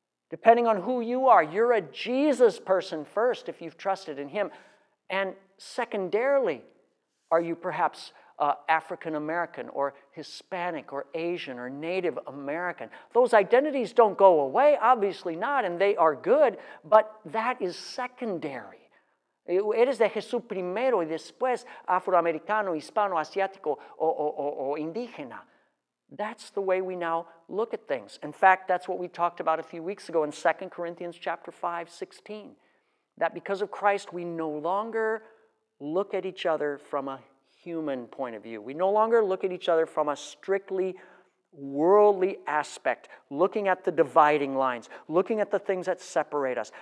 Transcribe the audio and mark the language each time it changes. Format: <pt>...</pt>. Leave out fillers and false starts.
<en>Depending on who you are, you're a Jesus person first if you've trusted in him. And secondarily, are you perhaps African American or Hispanic or Asian or Native American? Those identities don't go away, obviously not, and they are good, but that is secondary.</en> <es>Eres de Jesús primero y después afroamericano, hispano, asiático, o indígena.</es> <en>That's the way we now look at things. In fact, that's what we talked about a few weeks ago in 2 Corinthians chapter 5, 16. That because of Christ, we no longer look at each other from a human point of view. We no longer look at each other from a strictly worldly aspect, looking at the dividing lines, looking at the things that separate us.</en>